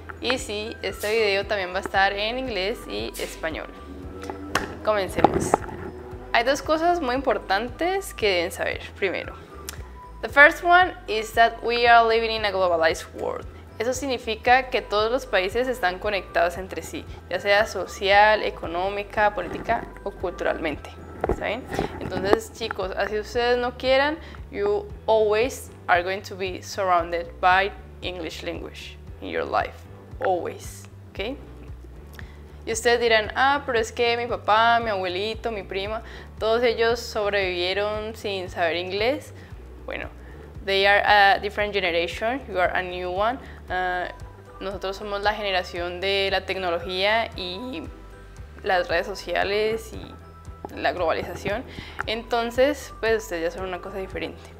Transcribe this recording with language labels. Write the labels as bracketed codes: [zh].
[es] Y sí, este video también va a estar en inglés y español. Comencemos. Hay dos cosas muy importantes que deben saber. Primero, [en] the first one is that we are living in a globalized world. [es] Eso significa que todos los países están conectados entre sí, ya sea social, económica, política o culturalmente. ¿Saben? Entonces, chicos, así ustedes no quieran, [en] you always are going to be surrounded by English language in your life. Always. [es] ¿Okay? Y ustedes dirán, ah, pero es que mi papá, mi abuelito, mi prima, todos ellos sobrevivieron sin saber inglés. Bueno, [en] they are a different generation, you are a new one. [es] Nosotros somos la generación de la tecnología y las redes sociales y la globalización. Entonces, pues ustedes ya son una cosa diferente.